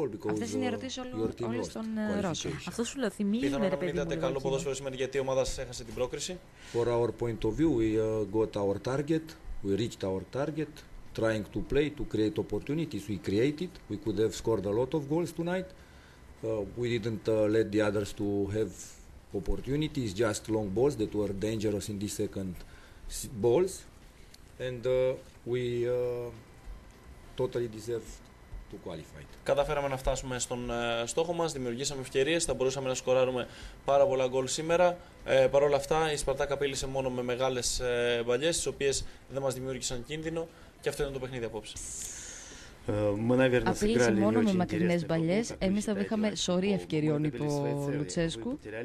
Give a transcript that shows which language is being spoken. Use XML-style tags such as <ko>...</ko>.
<el>Αυτές είναι οι ερωτήσεις όλων των Ρώσων. Αυτό σου λέω, θυμίζουν, ρε παιδί μου. Πιθανόν να μην ήταν καλό ποδόσφαιρο σήμερα, γιατί η ομάδα σας έχασε την πρόκριση.</el> <en>For our point of view, we got our target, we reached our target. Trying to play, to create opportunities, we created. We could have scored a lot of goals tonight. We didn't let the others to have opportunities, just long balls that were dangerous in the second balls. And we totally deserve to qualify.</en> <el>Καταφέραμε να φτάσουμε στον στόχο μας, δημιουργήσαμε ευκαιρίες, θα μπορούσαμε να σκοράρουμε πάρα πολλά γκολ σήμερα. Παρ' όλα αυτά, η Σπαρτάκ απείλησε μόνο με μεγάλες μπαλιές, τις οποίες δεν μας δημιούργησαν κίνδυνο. Και αυτό είναι το παιχνίδι απόψε. Απειλήσε μόνο με μακρινές μπαλιές. Εμείς θα είχαμε σωρή ευκαιριών υπό Λουτσέσκου.</el>